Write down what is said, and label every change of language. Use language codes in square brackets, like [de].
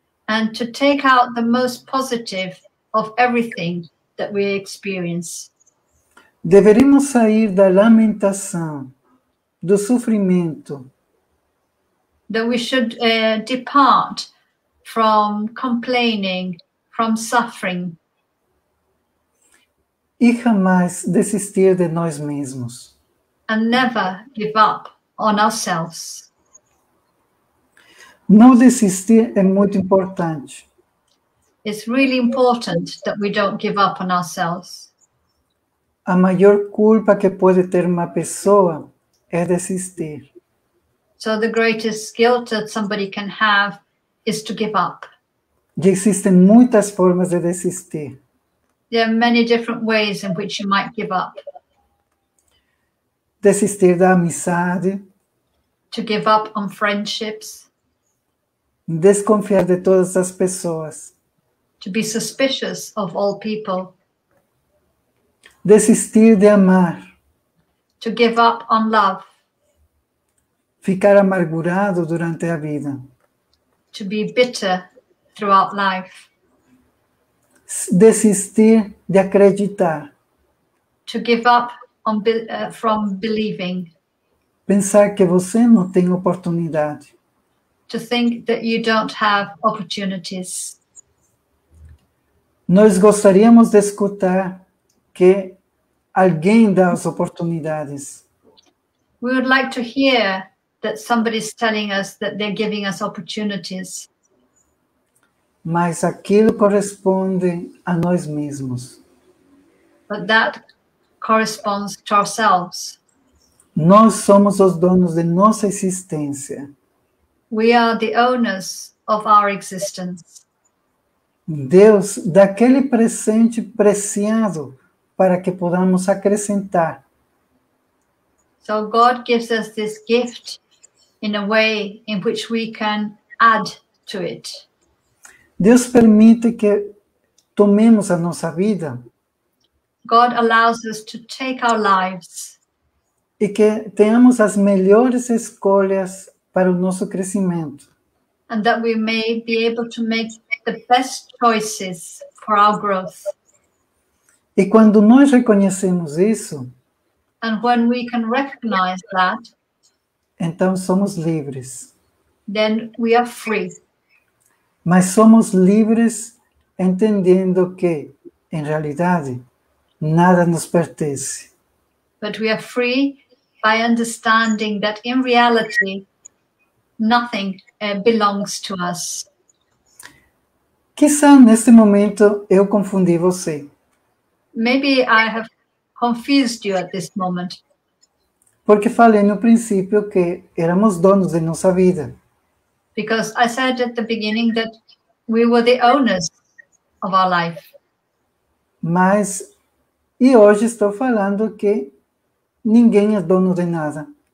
[en] And to take out the most positive of everything that we experience. [pt] Deveríamos sair da lamentação, do sofrimento. [en] That we should depart from complaining, from suffering. [pt] E jamais desistir de nós mesmos. [en] And never give up on ourselves. [pt] Não desistir é muito importante. [en] It's really important that we don't give up on ourselves. [pt] A maior culpa que pode ter uma pessoa é desistir. [en] So the greatest guilt that somebody can have is to give up. [pt] E existem muitas formas de desistir. [en] There are many different ways in which you might give up. [pt] Desistir da amizade. [en] To give up on friendships. [pt] Desconfiar de todas as pessoas. [en] To be suspicious of all people. [pt] Desistir de amar. [en] To give up on love. [pt] Ficar amargurado durante a vida. [en] To be bitter throughout life. [pt] Desistir de acreditar. [en] To give up on from believing. [pt] Pensar que você não tem oportunidade. [en] To think that you don't have opportunities. [pt] Nós gostaríamos de escutar que alguém dá as oportunidades. [en] We would like to hear that somebody is telling us that they're giving us opportunities. [pt] Mas aquilo corresponde a nós mesmos. [en] But that corresponds to ourselves. [pt] Nós somos os donos de nossa existência. [en] We are the owners of our existence. [pt] Deus, daquele presente preciado para que podamos acrescentar. [en] So God gives us this gift in a way in which we can add to it. [pt] Deus permite que tomemos a nossa vida. [en] God allows us to take our lives. [pt] E que tenhamos as melhores escolhas para o nosso crescimento. [en] And that we may be able to make the best choices for our growth. [pt] E quando nós reconhecemos isso, [en] and when we can recognize that, [pt] então somos livres. [en] Then we are free. [pt] Mas somos livres entendendo que, em realidade, nada nos pertence. [en] But we are free by understanding that in reality, nothing belongs to us. [pt] Quizá neste momento eu confundi você. [en] Maybe I have confused you at this moment. [pt] Porque falei no princípio que éramos donos de nossa vida. [en] Because I said at the beginning that we were the owners of our life. [pt] Mas, e hoje estou falando que ninguém é dono de nada.